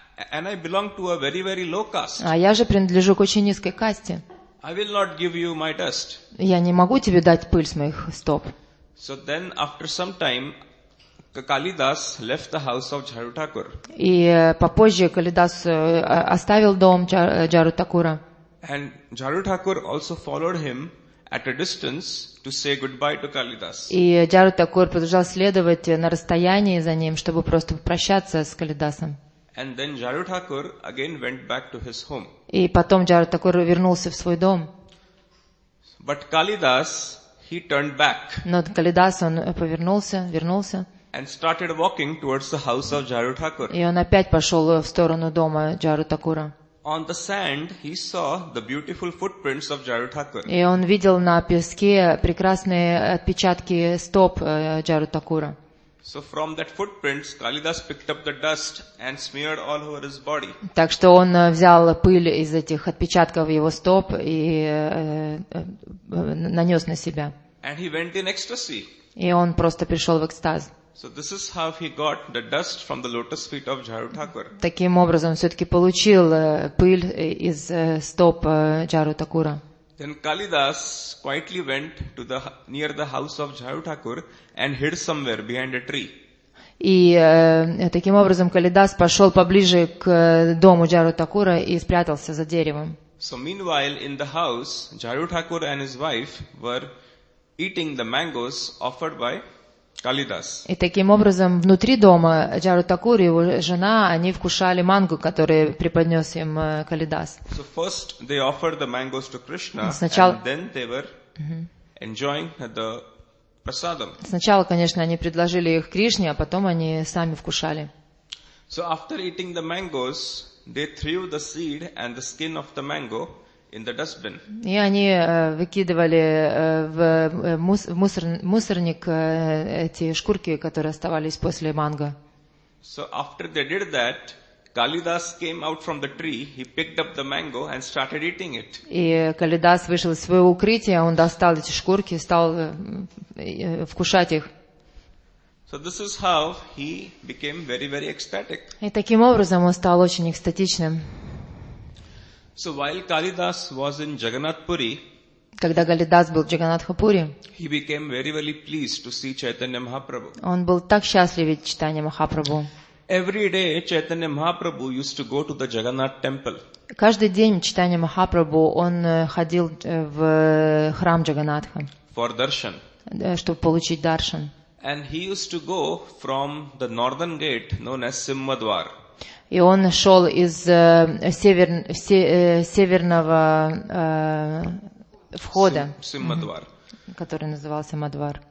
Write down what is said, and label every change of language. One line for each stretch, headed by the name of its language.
English: And I belong to a very, very low caste.
Russian: А я же принадлежу к очень низкой касте.
English: I will not give you my dust.
Russian: Я не могу тебе дать пыль с моих стоп.
English: So then after some time Kalidas left the house of Jhadu Thakur.
Russian: И попозже Калидас оставил дом Jhadu Thakur.
English: And Jhadu Thakur also followed him at a distance to say goodbye to Kalidas.
Russian: И Jhadu Thakur продолжал следовать на расстоянии за ним, чтобы просто попрощаться с Калидасом.
English: And then Jhadu Thakur again went back to his home.
Russian: И потом Jhadu Thakur вернулся в свой дом.
English: But Kalidas, he turned back.
Russian: Но Калидас, он повернулся, вернулся.
English: And started walking towards the house of Jhadu Thakur.
Russian: И он опять пошел в сторону дома Jhadu Thakur.
English: On the sand, he saw the beautiful footprints of Jhadu Thakur.
Russian: И он видел на песке прекрасные отпечатки стоп Jhadu Thakur.
English: So from that footprints, Kalidas picked up the dust and smeared all over his body.
Russian: Так что он взял пыль из этих отпечатков его стоп и нанес на себя.
English: And he went in ecstasy.
Russian: И он просто пришел в экстаз.
English: So this is how he got the dust from the lotus feet of Jhadu Thakur.
Russian: Таким образом, все-таки получил пыль из стоп Jhadu Thakur.
English: Then Kalidas quietly went to the near the house of Jhadu Thakur and hid somewhere behind a tree.
Russian: И таким образом Калидас пошел поближе к дому Jhadu Thakur и спрятался за деревом.
English: So meanwhile in the house, Jhadu Thakur and his wife were eating the mangoes offered by Kalidas.
Russian: И таким образом внутри дома Jhadu Thakur и его жена они вкушали манго, которое преподнес им Калидас.
English: So first they offered the mangoes to Krishna, and then they were enjoying the prasadam.
Russian: Сначала, конечно, они предложили их Кришне, а потом они сами вкушали.
English: So after eating the mangoes, they threw the seed and the skin of the mango in the dustbin.
Russian: И они выкидывали в мусорник эти шкурки, которые оставались после манго.
English: So after they did that, Kalidas came out from the tree, he picked up the mango and started eating it.
Russian: И Калидас вышел из своего укрытия, он достал эти шкурки и стал вкушать их.
English: So this is how he became very, very ecstatic.
Russian: И таким образом он стал очень экстатичным.
English: So while Kalidas was in Jagannath Puri,
Russian: когда Калидас был в Джаганатхапуре,
English: he became very, very pleased to see Chaitanya Mahaprabhu.
Russian: Он был так счастлив видеть Чайтанья Махапрабху.
English: Every day Chaitanya Mahaprabhu used to go to the Jagannath temple.
Russian: Каждый день Чайтанья Махапрабху он ходил в храм Джаганатха.
English: For darshan.
Russian: Чтобы получить даршан.
English: And he used to go from the northern gate known as Simhadwar.
Russian: И он шел из северного входа, Симмадвар, который назывался Мадвар.